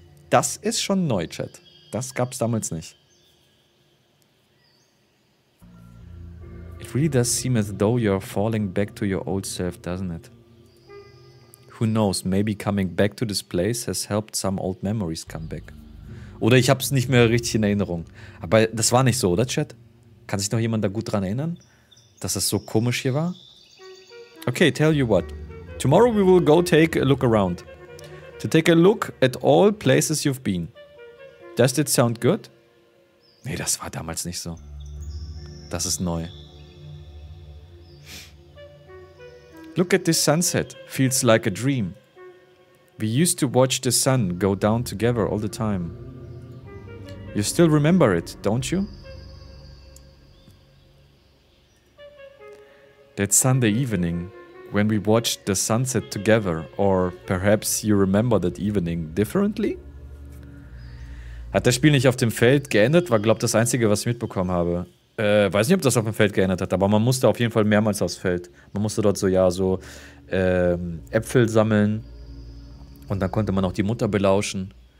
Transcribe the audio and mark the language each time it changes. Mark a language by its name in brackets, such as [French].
[German] Das ist schon neu, Chat. Das gab's damals nicht. [English] It really does seem as though you're falling back to your old self, doesn't it? Who knows, maybe coming back to this place has helped some old memories come back. [German] Oder ich hab's nicht mehr richtig in Erinnerung. Aber das war nicht so, oder Chat? Kann sich noch jemand da gut dran erinnern? Dass das so komisch hier war? [English] Okay, tell you what. Tomorrow we will go take a look around. To take a look at all places you've been. Does that sound good? [German] Nee, das war damals nicht so. Das ist neu. [English] Look at this sunset. Feels like a dream. We used to watch the sun go down together all the time. You still remember it, don't you? That Sunday evening, when we watched the sunset together, or perhaps you remember that evening differently? [German] Hat das Spiel nicht auf dem Feld geändert? War, glaube ich, das Einzige, was ich mitbekommen habe. Weiß nicht, ob das auf dem Feld geändert hat, aber man musste auf jeden Fall mehrmals aufs Feld. Man musste dort so, ja, so Äpfel sammeln und dann konnte man auch die Mutter belauschen.